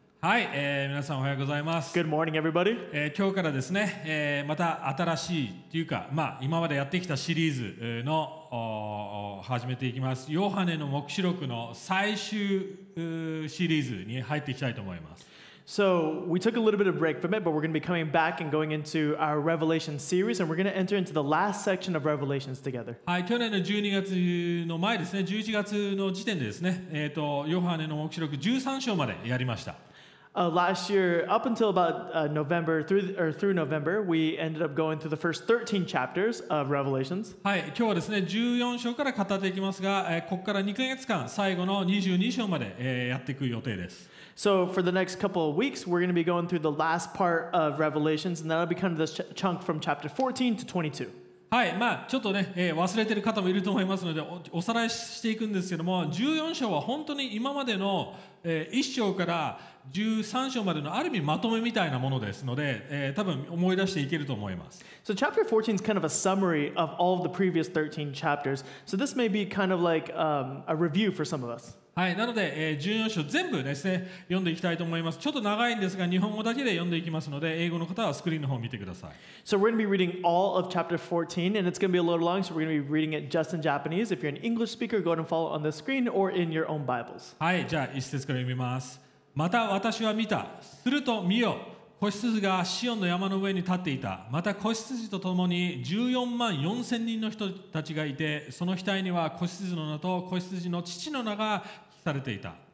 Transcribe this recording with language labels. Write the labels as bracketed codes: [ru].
[ja] はい、皆さんおはようございます。 [en] Good morning, everybody. [ja] 今日からですね、また新しいというか、まあ、今までやってきたシリーズの始めていきます。ヨハネの黙示録の最終シリーズに入っていきたいと思います。 [en] So we took a little bit of break from it, but we're going to be coming back and going into our Revelation series, and we're going to enter into the last section of Revelations together. [ja] はい、去年の12月の前ですね、11月の時点でですね、ヨハネの黙示録13章までやりました。 [en] Last year, up until about November, through November, we ended up going through the first 13 chapters of Revelations. [ja] はい、今日はですね、14章から語っていきますが、ここから2ヶ月間、最後の22章まで、やっていく予定です。 [en] So for the next couple of weeks, we're going to be going through the last part of Revelations, and that'll be kind of the chunk from chapter 14 to 22. [ja] はい、まあちょっとね、忘れてる方もいると思いますので おさらいしていくんですけども、14章は本当に今までの、1章から13章までのある意味まとめみたいなものですので、多分思い出していけると思います。 [en] So chapter 14 is kind of a summary of all of the previous 13 chapters. So this may be kind of like a review for some of us. [ja] はい、なので、14章全部ですね読んでいきたいと思います。ちょっと長いんですが日本語だけで読んでいきますので、英語の方はスクリーンの方を見てください。 [en] So we're going to be reading all of chapter 14 and it's going to be a little long, so we're going to be reading it just in Japanese. If you're an English speaker, go ahead and follow on the screen or in your own Bibles. [ja] はい、じゃあ一節から読みます。また私は見た、すると見よ、子羊がシオンの山の上に立っていた。また子羊と共に14万4千人の人たちがいて、その額には子羊の名と子羊の父の名がされていた。